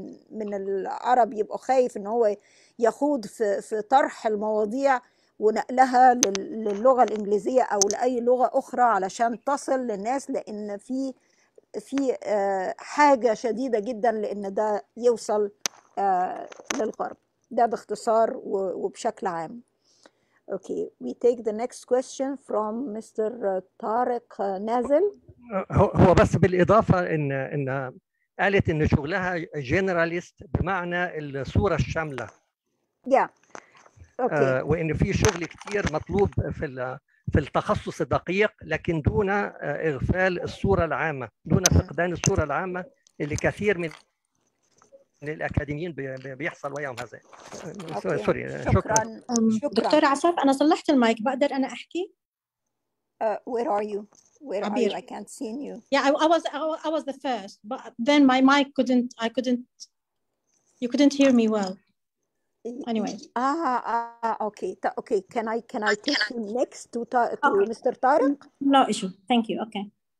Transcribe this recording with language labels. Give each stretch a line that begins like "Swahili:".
Arabic: من العرب يبقى خايف إن هو يخوض في طرح المواضيع ونقلها للغة الإنجليزية أو لأي لغة أخرى علشان تصل للناس لأن في حاجة شديدة جدا لأن ده يوصل للغرب ده باختصار وبشكل عام.
English: Okay, we take the next question from Mr.
Arabic: طارق نازل. هو بس بالإضافة إن قالت إن شغلها generalist بمعنى الصورة الشاملة.
English: Yeah.
Arabic: وإن في شغل كتير مطلوب في التخصص الدقيق لكن دون إغفال الصورة العامة دون فقدان الصورة العامة اللي كثير من الأكاديميين بيحصل وياهم هذا سوري شكراً. دكتور عفاف أنا صلحت المايك بقدر أنا أحكي
English: Where are you? I can't see you. Yeah, I was the first, but then my mic couldn't. You couldn't hear me well. Anyway. Okay. Can I take you next to Mr. Tariq? No issue. Thank you. Okay.